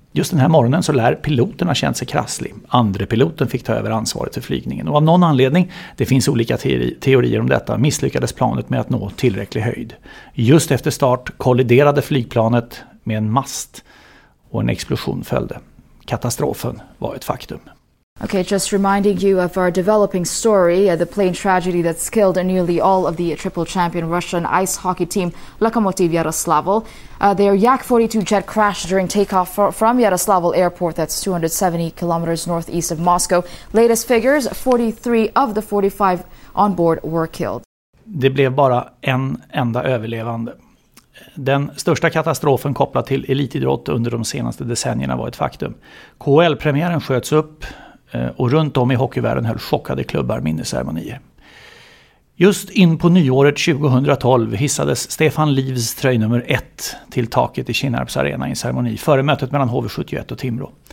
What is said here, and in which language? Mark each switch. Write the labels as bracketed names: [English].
[Swedish] Just den här morgonen så lär piloten ha känt sig krasslig. Andre piloten fick ta över ansvaret för flygningen. Och av någon anledning, det finns olika teorier om detta, misslyckades planet med att nå tillräcklig höjd. Just efter start kolliderade flygplanet med en mast och en explosion följde. Katastrofen var ett faktum. [English] Okay, just reminding you of our developing story, the plane tragedy that killed nearly all of the triple champion Russian ice hockey team Lokomotiv Yaroslavl. Their Yak-42 jet crashed during takeoff from Yaroslavl Airport, that's 270 kilometers northeast of Moscow. Latest figures, 43 of the 45 on board were killed. [Swedish] Det blev bara en enda överlevande. Den största katastrofen kopplad till elitidrott under de senaste decennierna var ett faktum. KHL-premiären sköts upp. Och runt om i hockeyvärlden höll chockade klubbar minnesceremonier. Just in på nyåret 2012 hissades Stefan Livs tröjnummer 1 till taket i Kinnarps arena i en ceremoni före mötet mellan HV71 och Timrå.